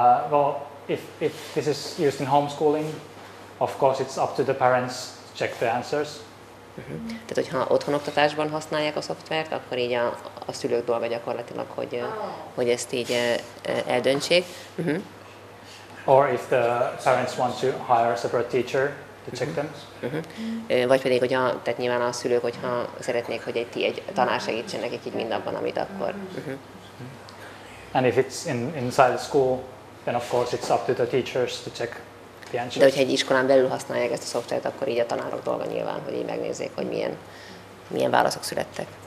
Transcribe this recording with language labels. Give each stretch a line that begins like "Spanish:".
English: Well, if this is used in homeschooling, of course it's up to the parents to check the answers. Mm-hmm.
Hungarian: Tehát, hogyha otthon oktatásban használják a szoftvert, akkor így a szülők dolga gyakorlatilag, hogy ezt így eldöntsék. Mm-hmm.
English: Or if the parents want to hire a separate teacher to check them. Mm-hmm.
Hungarian: Vagy pedig, hogy tehát nyilván a szülők, hogyha szeretnék, hogy egy tanár segítsen nekik így mindabban, amit akkor. Mm-hmm.
English: And if it's inside the school, then of course it's up to the teachers to check.
Hungarian: De hogyha egy iskolán belül használják ezt a szoftvert, akkor így a tanárok dolga nyilván, hogy így megnézzék, hogy milyen válaszok születtek.